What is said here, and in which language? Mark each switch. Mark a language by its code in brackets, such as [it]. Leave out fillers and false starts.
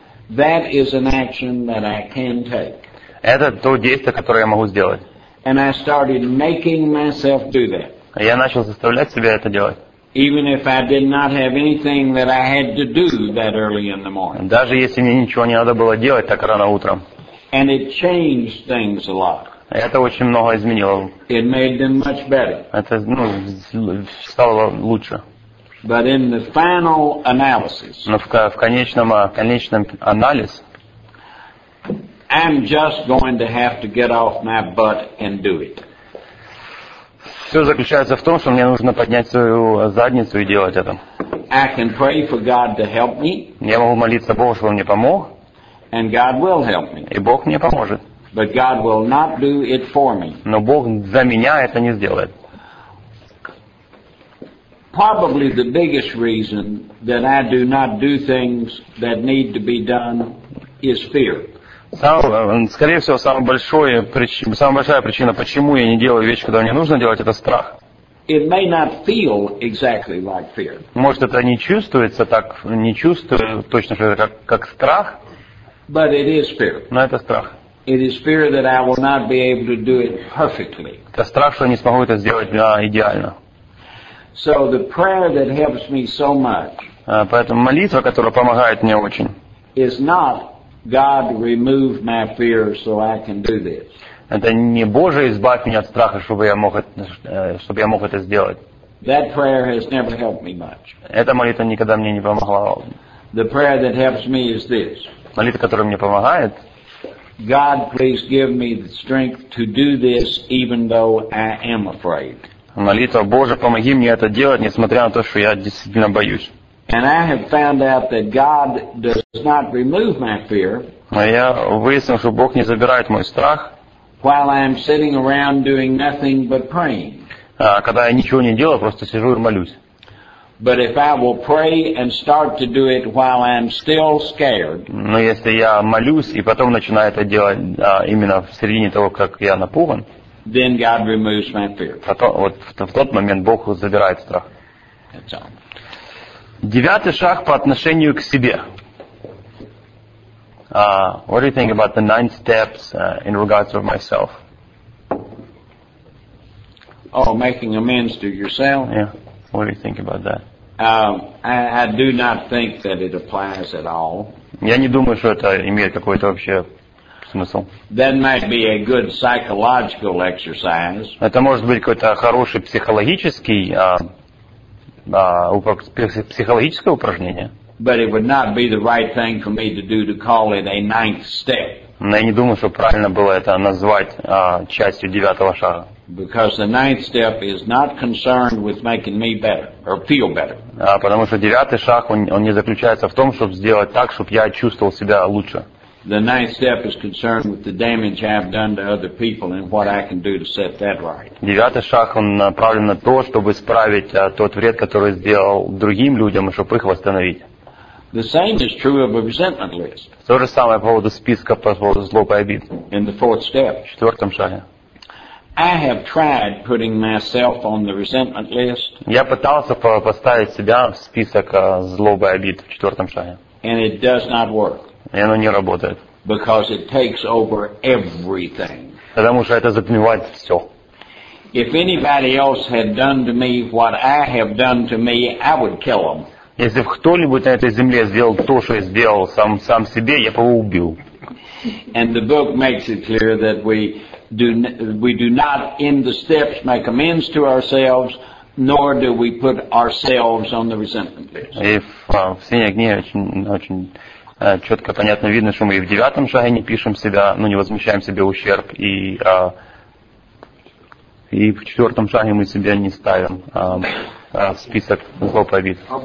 [en] That is an action that I can take. [ru] Это то действие, которое я могу сделать. [en] And I started making myself do that. [ru] Я начал заставлять себя это делать. [en] Even if I did not have anything that I had to do that early in the morning. [ru] Даже если мне ничего не надо было делать так рано утром. [en] And it changed things a lot. [ru] Это очень много изменило. [en] It made them much better. [ru] Это, ну, стало лучше. [en] But in the final analysis, [ru] в конечном анализе, [en] I'm just going to have to get off my butt and do it. [ru] Все заключается в том, что мне нужно поднять свою задницу и делать это. [en] I can pray for God to help me. [ru] Я могу молиться Богу, чтобы он мне помог. [en] And God will help me. [ru] И Бог мне поможет. [en] But God will not do it for me. [ru] Но Бог за меня это не сделает. [en] Probably the biggest reason that I do not do things that need to be done is fear. [ru] Скорее всего, самая большая причина, почему я не делаю вещи, которые мне нужно делать, это страх. [en] It may not feel exactly like fear. [ru] Может, это не чувствуется так, не чувствую точно, что это как страх. [en] But it is fear. [ru] Но это страх. [en] It is fear that I will not be able to do it perfectly. [ru] Это страх, что я не смогу это сделать идеально. [en] So the prayer that helps me so much, [ru] поэтому молитва, которая помогает мне очень, [en] is not God remove my fear so I can do this. [ru] Это не Боже избавь меня от страха, чтобы я мог это сделать. [en] That prayer has never helped me much. [ru] Эта молитва никогда мне не помогла. [en] The prayer that helps me is this. [ru] Молитва, которая мне помогает. [en] God, please give me the strength to do this, even though I am afraid. [ru] молитва: Боже, помоги мне это делать, несмотря на то, что я действительно боюсь. [en] And I have found out that God does not remove my fear. [ru] Но я выяснил, что Бог не забирает мой страх. [en] While I am sitting around doing nothing but praying. [ru] Когда я ничего не делаю, просто сижу и молюсь. [en] But if I will pray and start to do it while I'm still scared. [ru] Но если я молюсь и потом начинаю это делать именно в середине того, как я напуган. [en] Then God removes my fear. [ru] Вот в тот момент Бог забирает страх. [en] That's all. [ru] Девятый шаг по отношению к себе. [en] What do you think about the nine steps in regards to myself? Oh, making amends to yourself. Yeah. What do you think about that? I do not think that it applies at all. [ru] Я не думаю, что это имеет какой-то вообще смысл. [en] That might be a good psychological exercise. [ru] Это может быть какой-то хороший психологическое упражнение. [en] But it would not be the right thing for me to do to call it a ninth step. [ru] Но я не думаю, что правильно было это назвать частью девятого шага. [en] Because the ninth step is not concerned with making me better or feel better. [ru] Потому что девятый шаг он не заключается в том, чтобы сделать так, чтобы я чувствовал себя лучше. [en] The ninth step is concerned with the damage I've done to other people and what I can do to set that right. [ru] Девятый шаг он направлен на то, чтобы исправить тот вред, который сделал другим людям, и чтобы их восстановить. [en] The same is true of a resentment list. [ru] То же самое по поводу списка по поводу злоб и обид. [en] In the fourth step. [ru] В четвертом шаге. [en] I have tried putting myself on the resentment list. [ru] Я пытался поставить себя в список злобы и обид в четвертом шаге. [en] And it does not work. [ru] И оно не работает. [en] Because it takes over everything. [ru] Потому что это затмевает все. [en] If anybody else had done to me what I have done to me, I would kill them. [ru] Если бы кто-нибудь на этой земле сделал то, что я сделал сам себе, я бы его убил. [en] And the book makes it clear that we do not in the steps make amends to ourselves, nor do we put ourselves on the resentment list. [ru] И в синей книге очень четко понятно видно, что мы и в девятом шаге не пишем себя, ну не возмещаем себе ущерб, и в четвертом шаге мы себя не ставим в список злоб и обид.